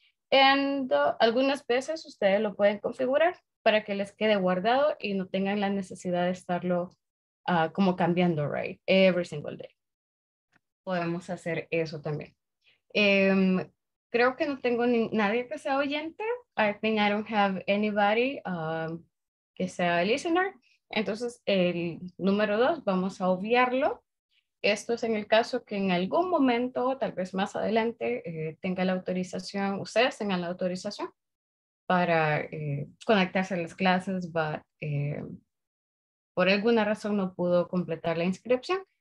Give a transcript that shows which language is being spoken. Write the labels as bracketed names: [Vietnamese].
[Spanish] And, algunas veces ustedes lo pueden configurar para que les quede guardado y no tengan la necesidad de estarlo como cambiando, [English] right? Every single day. [Spanish] Podemos hacer eso también. Creo que no tengo nadie que sea oyente. [English] I think I don't have anybody [Spanish] que sea [English] listener. [Spanish] Entonces, el número dos, vamos a obviarlo. Esto es en el caso que en algún momento, tal vez más adelante, tenga la autorización, ustedes tengan la autorización para conectarse a las clases, but por alguna razón no pudo completar la inscripción.